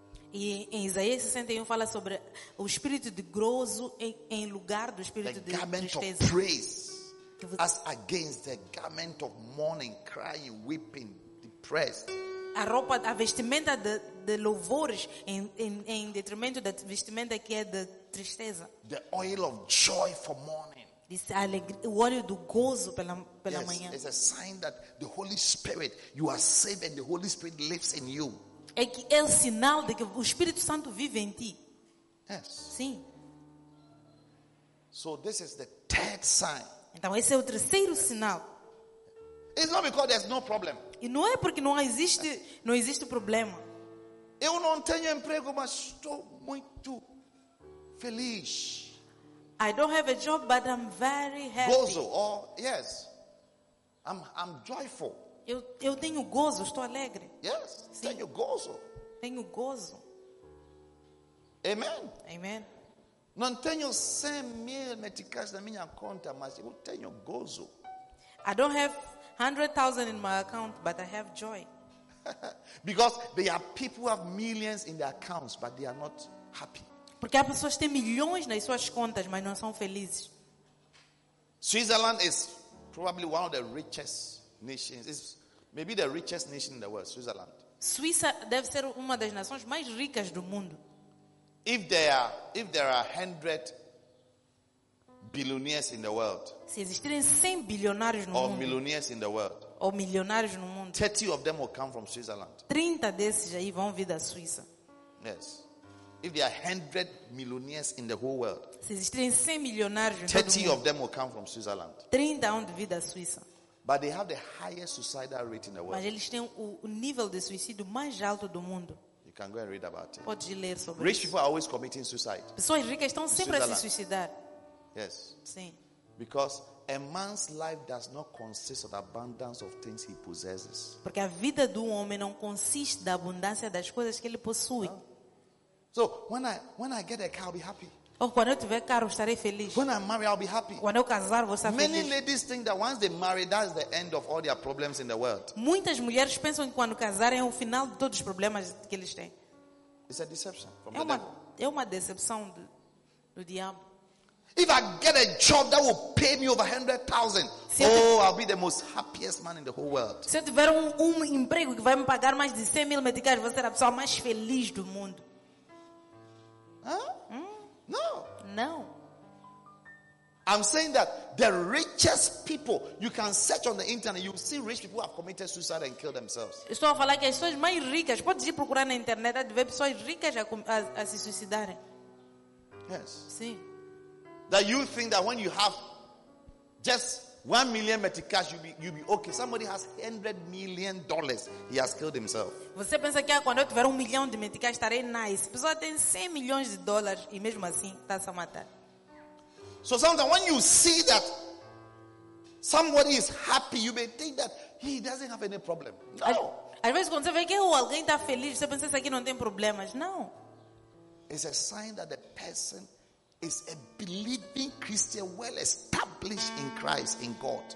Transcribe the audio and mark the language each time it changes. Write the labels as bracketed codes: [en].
[pt] E em Isaías 61 fala sobre o espírito de gozo em lugar do espírito [en] the [pt] de tristeza. [en] Of praise as against the garment of mourning, crying, weeping, depressed. [pt] A roupa, a vestimenta de louvores em detrimento da vestimenta que é de tristeza. [en] The oil of joy for mourning. [pt] O óleo do gozo pela manhã. [en] It's a sign that the Holy Spirit, you are saved and the Holy Spirit lives in you. [pt] É que é o sinal de que o Espírito Santo vive em ti. [en] Yes. [pt] Sim. [en] So this is the third sign. [pt] Então esse é o terceiro sinal. [en] It's not because there's no problem. [pt] E não é porque não existe problema. Eu não tenho emprego, mas estou muito feliz. [en] I don't have a job, but I'm very happy. Gozo, oh yes, I'm joyful. [pt] Eu tenho gozo, estou alegre. [en] Yes, [pt] sim. Tenho gozo. Tenho gozo. [en] Amen. Amen. [pt] Não tenho 100,000 meticais na minha conta, mas eu tenho gozo. [en] I don't have 100,000 in my account, but I have joy. Because there are people who have millions in their accounts, but they are not happy. [pt] Porque há pessoas que têm milhões nas suas contas, mas não são felizes. [en] Switzerland is probably one of the richest nations. It's maybe the richest nation in the world, Switzerland. [pt] Suíça deve ser uma das nações mais ricas do mundo. [en] If there are 100 billionaires in the world. [pt] Se existirem 100 bilionários no mundo. [en] Or millionaires in the world. [pt] Ou milionários no mundo. [en] 30 of them will come from Switzerland. [pt] 30 desses aí vão vir da Suíça. [en] Yes. If there are 100 millionaires in the whole world. [pt] Se existirem 100 milionários no mundo. [en] 30 of them will come from Switzerland. [pt] 30 vão vir da Suíça. [en] But they have the highest suicidal rate in the world. [pt] Mas eles têm o nível de suicídio mais alto do mundo. [en] You can go and read about it. [pt] Pode ler sobre. [en] Rich people are always committing suicide. [pt] Pessoas ricas estão sempre a se suicidar. [en] Yes. [pt] Sim. [en] Because a man's life does not consist of the abundance of things he possesses. [pt] Porque a vida do homem não consiste da abundância das coisas que ele possui. [en] So when I get a car, I'll be happy. [pt] Oh, quando eu tiver carro, estarei feliz. [en] When I marry, I'll be happy. [pt] Quando eu casar, vou estar [en] Many [pt] feliz. [en] Many ladies think that once they marry, that's the end of all their problems in the world. [pt] Muitas mulheres pensam que quando casarem é o final de todos os problemas que eles têm. [en] It's a deception from the devil. [pt] É uma decepção do diabo. [en] If I get a job that will pay me over 100,000, I'll be the most happiest man in the whole world. [pt] Se eu tiver um emprego que vai me pagar mais de 100,000 meticais, vou ser a pessoa mais feliz do mundo. [en] No. No. I'm saying that the richest people, you can search on the internet, you see rich people who have committed suicide and killed themselves. [pt] Estou a falar que as pessoas mais ricas, pode ir procurar na internet, há de ver pessoas ricas a se suicidarem. [en] Yes. [pt] Sim. [en] That you think that when you have just 1,000,000 meticais, you'll be okay. Somebody has $100 million, he has killed himself. [pt] Você pensa que quando eu tiver 1,000,000 de meticais estarei nice? A pessoa tem 100 milhões de dólares e mesmo assim está a matar. [en] So sometimes when you see that somebody is happy, you may think that he doesn't have any problem. No. [pt] Às vezes quando você vê que alguém está feliz, você pensa que aqui não tem problemas. Não. [en] It's a sign that the person is a believing Christian, well established in Christ, in God.